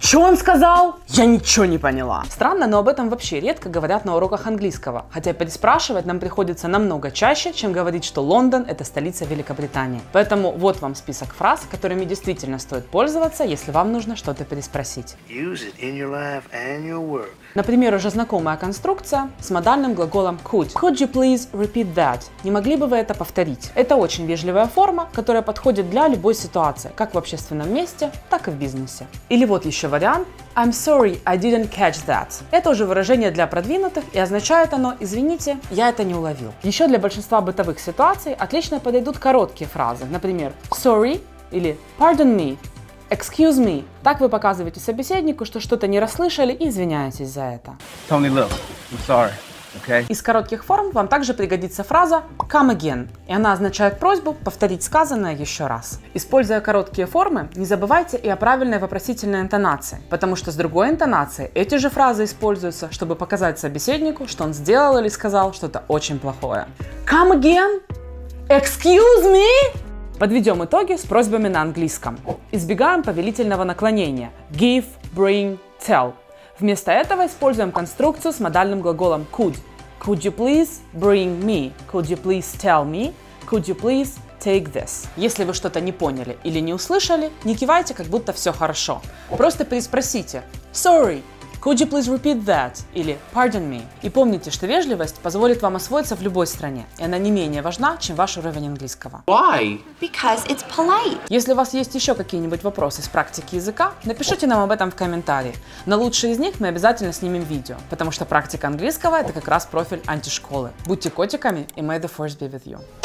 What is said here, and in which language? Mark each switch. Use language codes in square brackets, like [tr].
[ru] Что он сказал? Я ничего не поняла. Странно, но об этом вообще редко говорят на уроках английского. Хотя переспрашивать нам приходится намного чаще, чем говорить, что Лондон – это столица Великобритании. Поэтому вот вам список фраз, которыми действительно стоит пользоваться, если вам нужно что-то переспросить. [en] Use it in your life and your work. [ru] Например, уже знакомая конструкция с модальным глаголом could. [en] Could you please repeat that? [ru] Не могли бы вы это повторить? Это очень вежливая форма, которая подходит для любой ситуации. ситуация, как в общественном месте, так и в бизнесе. Или вот еще вариант [en] «I'm sorry, I didn't catch that». [ru] Это уже выражение для продвинутых и означает оно «Извините, я это не уловил». Еще для большинства бытовых ситуаций отлично подойдут короткие фразы, например «Sorry» или [en] «Pardon me», «Excuse me». [ru] Так вы показываете собеседнику, что что-то не расслышали и извиняетесь за это. [en] Tony, look, I'm sorry. Okay. [ru] Из коротких форм вам также пригодится фраза [en] «come again», [ru] и она означает просьбу повторить сказанное еще раз. Используя короткие формы, не забывайте и о правильной вопросительной интонации, потому что с другой интонацией эти же фразы используются, чтобы показать собеседнику, что он сделал или сказал что-то очень плохое. [en] «Come again? Excuse me?» [ru] Подведем итоги с просьбами на английском. Избегаем повелительного наклонения [en] «give, bring, tell». [ru] Вместо этого используем конструкцию с модальным глаголом could. [en] Could you please bring me? Could you please tell me? Could you please take this? [ru] Если вы что-то не поняли или не услышали, не кивайте, как будто все хорошо. Просто переспросите [en] «Sorry, could you please repeat that?» [ru] или [en] «Pardon me?» [ru] И помните, что вежливость позволит вам освоиться в любой стране, и она не менее важна, чем ваш уровень английского. [en] Why? Because it's polite. [ru] Если у вас есть еще какие-нибудь вопросы с практики языка, напишите нам об этом в комментарии. На лучшие из них мы обязательно снимем видео, потому что практика английского – это как раз профиль антишколы. Будьте котиками, и [en] may the force be with you.